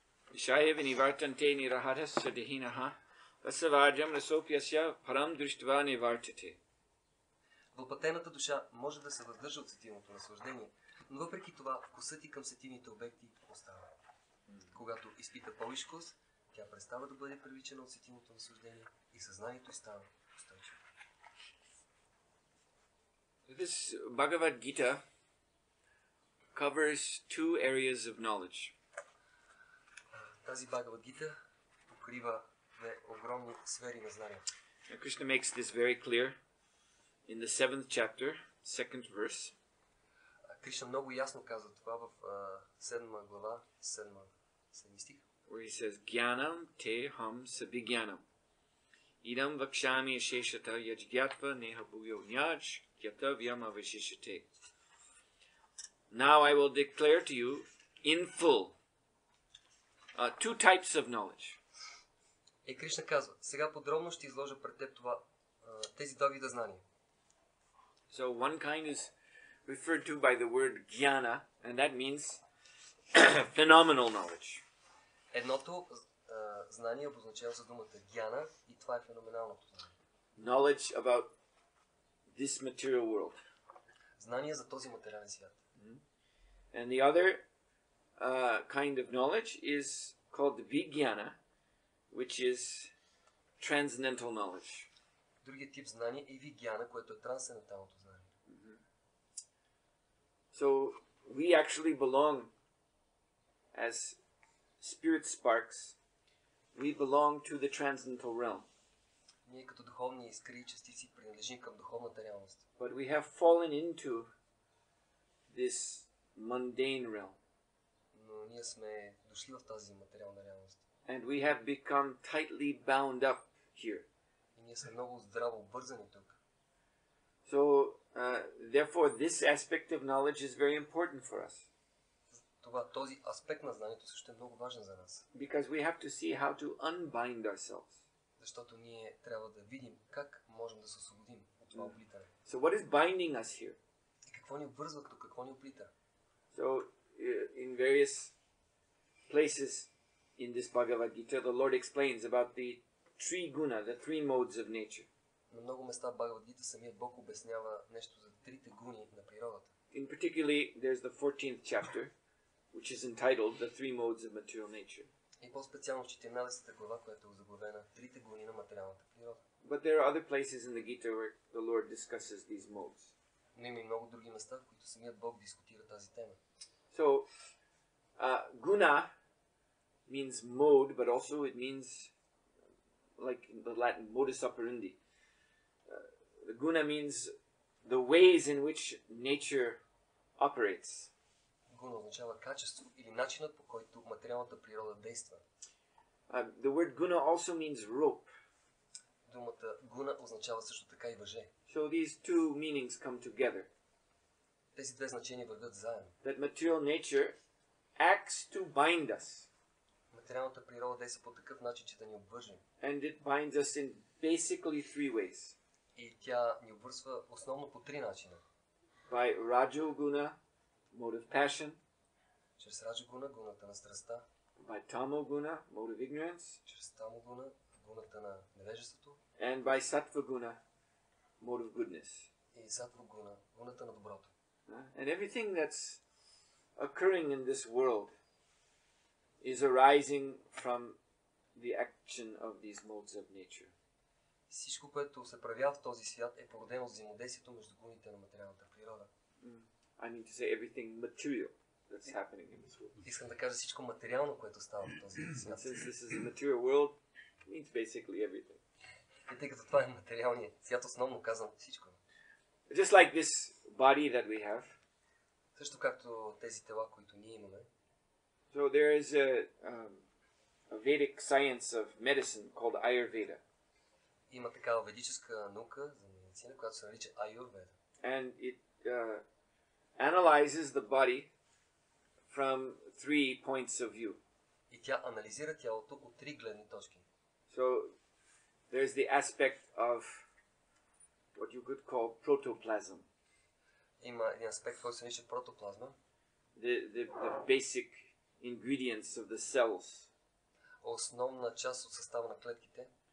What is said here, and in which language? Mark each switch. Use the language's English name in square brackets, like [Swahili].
[Sanskrit] Вишая винивартанте. Нирахарасья дехинаха. Расаварджам расопьясья. Парам дришва нивартате. [Bulgarian] Въплътената душа може да се въздържа от сетивното наслаждение, но въпреки това вкусът и към сетивните обекти остава. Когато изпита повиш вкус, тя престава да бъде привличана от сетивното наслаждение и съзнанието става устойчиво. [English] This Bhagavad Gita covers two areas of knowledge. [Bulgarian] Тази Bhagavad Gita покрива две огромни сфери на знание. [English] Krishna makes this very clear. In the 7th chapter, 2nd verse. [Bulgarian] Krishna много ясно казва това в 7-ма глава, 7-ми стих. [English] Where he says, [Sanskrit] Gyanam te ham sabhigyanam. Idam vakshami asheshata yajgyatva neha bhuyo nyaj gyatavyam avasheshate. [English] Now I will declare to you in full two types of knowledge. [Bulgarian] И Krishna казва, сега подробно ще изложа пред теб това, тези два вида знания. [English] So one kind is referred to by the word jnana, and that means phenomenal knowledge. [Bulgarian] Едното знание обозначава за думата jnana, и това е феноменалното знание. [English] Knowledge about this material world. [Bulgarian] Знание за този материален свят. [English] And the other kind of knowledge is called vijnana, which is transcendental knowledge. [Bulgarian] Другият тип знание е vijnana, което е трансценденталното знание. [English] So we actually belong as spirit sparks, we belong to the transcendental realm. [Bulgarian] Ние като духовни искри и частици принадлежим към духовната реалност. [English] But we have fallen into this mundane realm. [Bulgarian] Но ние сме дошли в тази материална реалност. [English] And we have become tightly bound up here. [Bulgarian] И ние сме много здраво обвързани тук. [English] So therefore this aspect of knowledge is very important for us. [Bulgarian] Това този аспект на знанието също е много важен за нас. [English] Because we have to see how to unbind ourselves. [Bulgarian] Защото ние трябва да видим как можем да се освободим от това оплитане. [English] So what is binding us here? [Bulgarian] И какво ни обвързва, като какво ни оплита? [English] So in various places in this Bhagavad Gita the Lord explains about the three guna, the three modes of nature. [Bulgarian] На много места Бхагавад Гита самият Бог обяснява нещо за трите гуни на природата. [English] In particular, there's the 14th chapter, which is entitled The Three Modes of Material Nature. [Bulgarian] И по-специално 14-та глава, която е озаглавена Трите гуни на материалната природа. [English] But there are other places in the Gita where the Lord discusses these modes. [Bulgarian] Но има и много други места, в които самият Бог дискутира тази тема. [English] So, guna means mode, but also it means, like in the Latin, modus operandi. The guna means the ways in which nature operates. [Bulgarian] Guna означава качество или начинът по който материалната природа действа. [English] The word guna also means rope. [Bulgarian] Думата guna означава също така и въже. [English] So these two meanings come together. [Bulgarian] Тези две значения вървят заедно. [English] That material nature acts to bind us. [Bulgarian] Материалната природа действа по такъв начин, че да ни обвърже. [English] And it binds us in basically three ways. [Bulgarian] И тя ни обвързва основно по три начина. [English] By Rajoguna, mode of passion. [Bulgarian] Чрез Rajoguna, гуната на страстта. [English] By Tamoguna, mode of ignorance. [Bulgarian] Чрез Tamoguna, гуната на невежеството. [English] And by Sattvaguna, mode of goodness. [Bulgarian] И Sattvaguna, гуната на доброто. [English] And everything that's occurring in this world is arising from the action of these modes of nature. [Bulgarian] всичко, което се проявява в този свят, е породено от взаимодействието между гуните на материалната природа. [English] I mean to say everything material that's happening in this world. [Bulgarian] Искам да кажа всичко материално, което става в този свят. [English] Since this is a material world, it means basically everything. [Bulgarian] И тъй като това е материалния свят, основно казвам всичко. [English] Just like this body that we have. [Bulgarian] Също както тези тела, които ние имаме. [English] So there is a Vedic science of medicine called Ayurveda. [Bulgarian] Има такава ведическа наука за медицина, която се нарича Аюрведа. [English] And it analyzes the body from three points of view. [Bulgarian] И тя анализира тялото от три гледни точки. [English] So there's the aspect of what you could call protoplasm. [Bulgarian] Има един аспект, който се нарича протоплазма. [English] The basic ingredients of the cells. [Bulgarian] Основна част от състава на клетките.